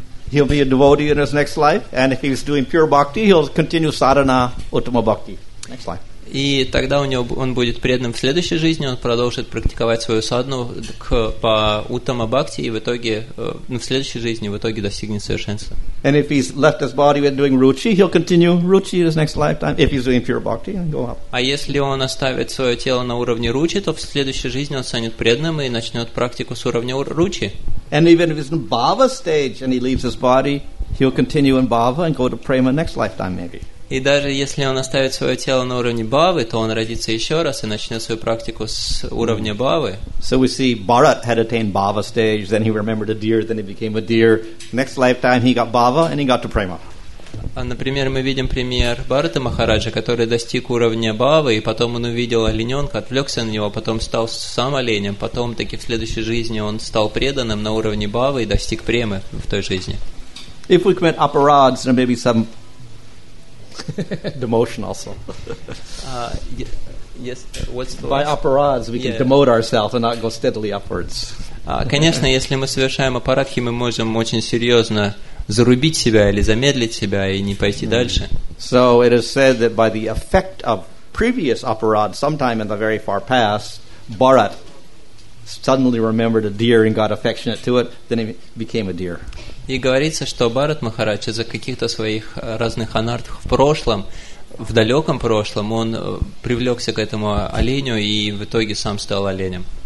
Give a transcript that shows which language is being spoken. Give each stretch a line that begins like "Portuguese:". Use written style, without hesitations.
English: He'll be a devotee in his next life, and if he's doing pure bhakti, he'll continue sadhana uttama bhakti. Next life.
Russian: И тогда у него он будет преданным в следующей жизни, он продолжит практиковать свою садну по уттама бхакти и в итоге в следующей жизни в итоге достигнет совершенства.
English: And if he's left his body when doing ruchi, he'll continue ruchi in his next lifetime if he's doing pure bhakti and go up.
Russian: А если он оставит свое тело на уровне ручи, то в следующей жизни он станет преданным и начнет практику с уровня ручи.
English: And even if he's in bhava stage and he leaves his body, he'll continue in bhava and go to prema next lifetime maybe.
Russian: И даже если он оставит свое тело на уровне бхавы, то он родится еще раз и начнет свою практику с уровня бхавы.
English: So we see Bharat had attained bhava stage, then he remembered a deer, then he became a deer. Next lifetime he got bhava and he got to prema.
Russian: Например, мы видим пример Бхарата Махараджа, который достиг уровня бхавы, и потом он увидел олененка, отвлекся на него, потом стал сам оленем, потом таки в следующей жизни он стал преданным на уровне бхавы и достиг премы в той жизни.
English: If we commit aparads, then maybe some demotion also. Yes. What's the by aparads we can demote ourselves and not go steadily upwards.
Russian: Конечно, если мы совершаем аппаратхи, мы можем очень серьезно зарубить себя или замедлить себя и не пойти дальше.
English: So it is said that by the effect of previous aparads, sometime in the very far past, Bharat suddenly remembered a deer and got affectionate to it, then he became a deer.
Russian: И говорится, что Бхарат Махарадж из-за каких-то своих разных анартх в прошлом, в далеком прошлом, он привлекся к этому оленю и в итоге сам стал оленем.